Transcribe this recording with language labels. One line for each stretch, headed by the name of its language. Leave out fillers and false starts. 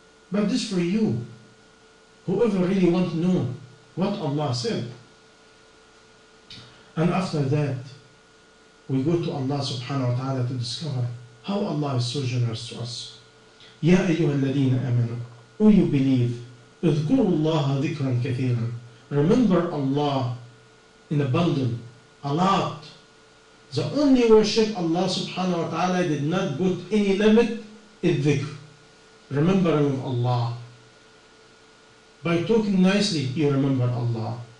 English: But this for you. Whoever really wants to know what Allah said. And after that, we go to Allah subhanahu wa ta'ala to discover how Allah is so generous to us.
Arabic: يَا أَيُّهَا الَّذِينَ أَمَنُوا
English: O you believe,
Arabic: اذكروا الله ذكرا كثيرا.
English: Remember Allah in abundance, a lot. The only worship Allah subhanahu wa ta'ala did not put any limit is dhikr. Remembering of Allah. By talking nicely, you remember Allah.